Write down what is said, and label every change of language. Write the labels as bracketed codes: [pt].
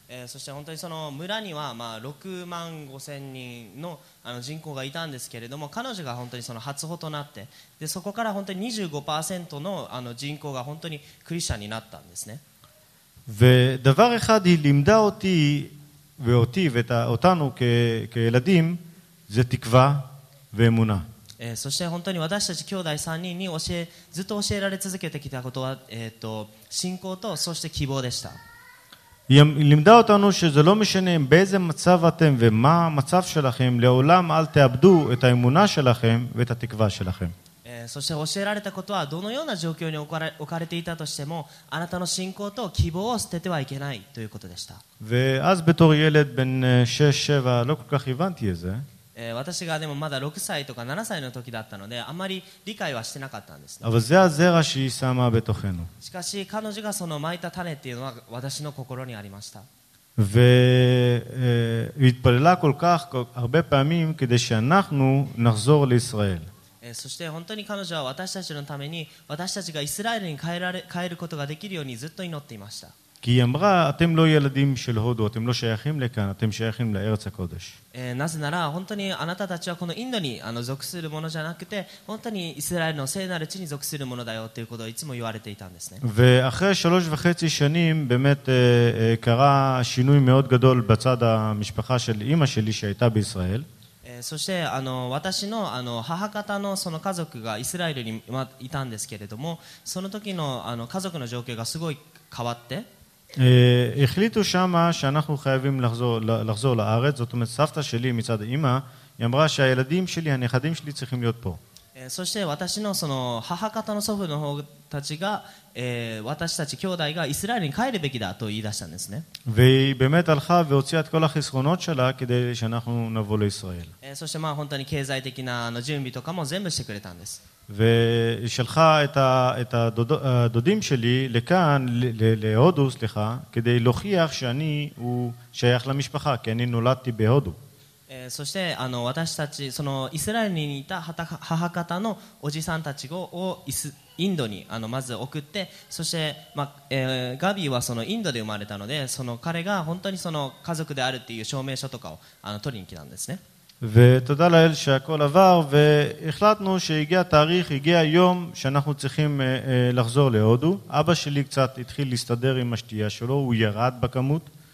[ja] そして本当にその村にはまあ6万5千人 の人口がいたんですけれども、彼女が本当にその初歩となって、でそこから本当に 25% の, 人口が本当にクリスチャンになったんですね。 [he] ודבר אחד היא לימדה אותי ואותי ואת אותנו כילדים זה תקווה ואמונה. [ja] そして本当に私たち兄弟3人に教えずっと教えられ続けてきたことは、信仰とそして希望でした。 [he] היא לימדה אותנו שזה לא משנה באיזה מצב אתם ומה המצב שלכם, לעולם אל תאבדו את האמונה שלכם ואת התקווה שלכם. [ja] そして教えられたことは、どのような状況に置かれていたとしても、あなたの信仰と希望を捨ててはいけないということでした。 [he] ואז בתור ילד בן 6-7 לא כל כך הבנתי את זה. [ja] 私がでもまだ6歳とか7歳の時だったので、あまり理解はしてなかったんですね。 [he] אבל זה הזרע שהיא שמה בתוכנו. [ja] しかし彼女がその巻いた種っていうのは私の心にありました。 [he] והתפללה כל כך הרבה פעמים כדי שאנחנו נחזור לישראל. [ja] そして本当に彼女は私たちのために、私たちがイスラエルに帰ることができるようにずっと祈っていました。 [he] כי היא אמרה, אתם לא ילדים של הודו, אתם לא שייכים לכאן, אתם שייכים לארץ הקודש. [ja] なぜなら本当にあなたたちはこのインドに属するものじゃなくて、本当にイスラエルの聖なる地に属するものだよということをいつも言われていたんですね。 [he] ואחרי 3.5 שנים באמת קרה שינוי מאוד גדול בצד המשפחה של אמא שלי שהייתה בישראל. [ja] そして私の母方のその家族がイスラエルにいたんですけれども、その時の家族の状況がすごい変わって、 [he] החליטו שמה שאנחנו חייבים לחזור לארץ. זאת אומרת, סבתא שלי מצד אמא, היא אמרה שהילדים שלי, הנכדים שלי צריכים להיות פה. [ja] そして私のその母方の祖父の方たちが、私たち兄弟がイスラエルに帰るべきだと言い出したんですね。 [he] והיא באמת הלכה והוציאה את כל החסכונות שלה כדי שאנחנו נבוא לישראל. [ja] そしてまあ本当に経済的な準備とかも全部してくれたんです。 [he] ושלחה את הדודים שלי לכאן, להודו, סליחה, כדי להוכיח שאני הוא שייך למשפחה, כי אני נולדתי בהודו. [ja] そして私たちそのイスラエルにいた母方のおじさんたちをインドにまず送って、そして、まあガビーはそのインドで生まれたので、その彼が本当にその家族であるっていう証明書とかを取りに来たんですね。 [he] ותודה לאל שהכל עבר, והחלטנו שהגיע תאריך, הגיע יום שאנחנו צריכים לחזור להודו. אבא שלי קצת התחיל להסתדר עם השתייה שלו, הוא ירד בכמות.